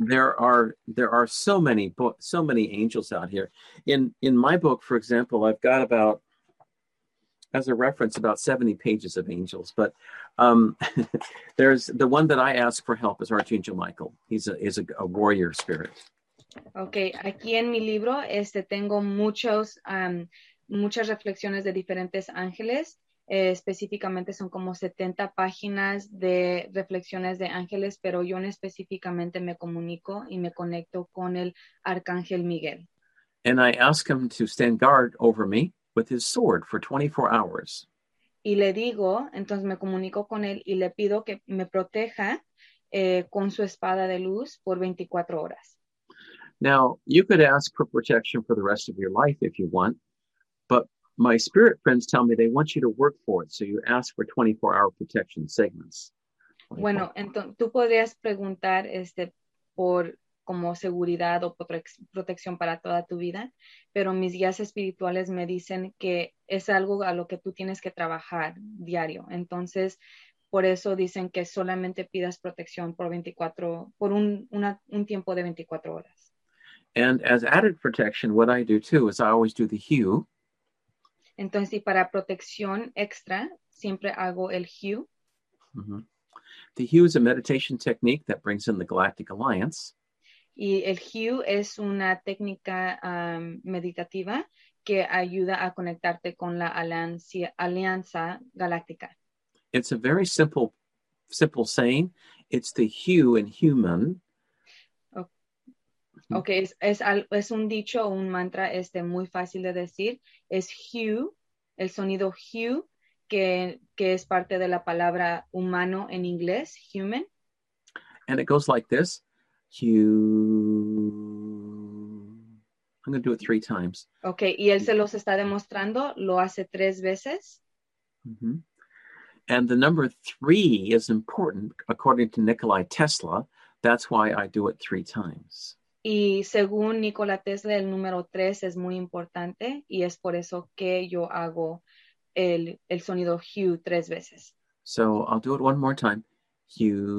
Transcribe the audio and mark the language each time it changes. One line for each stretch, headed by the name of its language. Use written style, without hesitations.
English: There are so many angels out here. In my book, for example, I've got about, as a reference, about 70 pages of angels. But there's the one that I ask for help is Archangel Michael. He's a warrior spirit.
Spanish: Okay, aquí en mi libro tengo muchos muchas reflexiones de diferentes ángeles, específicamente son como 70 páginas de reflexiones de ángeles, pero yo específicamente me comunico y me conecto con el Arcángel Miguel.
English: And I ask him to stand guard over me with his sword for 24 hours.
Spanish: Y le digo, entonces me comunico con él y le pido que me proteja con su espada de luz por 24 horas.
English: Now, you could ask for protection for the rest of your life if you want. But my spirit friends tell me they want you to work for it. So you ask for 24-hour protection segments. 24.
Spanish: Bueno, tú podrías preguntar por como seguridad o protección para toda tu vida. Pero mis guías espirituales me dicen que es algo a lo que tú tienes que trabajar diario. Entonces, por eso dicen que solamente pidas protección por un tiempo de 24 horas.
English: And as added protection, what I do too is I always do the hue.
Spanish: Entonces, y para protección extra, siempre hago el hue. Mm-hmm.
English: The hue is a meditation technique that brings in the Galactic Alliance.
Spanish: Y el hue es una técnica meditativa que ayuda a conectarte con la alianza galáctica.
English: It's a very simple saying. It's the hue in human.
Spanish: Okay, es un dicho o un mantra muy fácil de decir. Es hue, el sonido hue, que es parte de la palabra humano en inglés, human.
English: And it goes like this. Hue. I'm going to do it 3 times.
Spanish: Okay, y él se los está demostrando. Lo hace 3 veces.
English: Mm-hmm. And the number 3 is important, according to Nikola Tesla. That's why I do it 3 times.
Spanish: Y según Nikola Tesla, el número 3 es muy importante y es por eso que yo hago el sonido hue 3 veces.
English: So I'll do it one more time. Hue.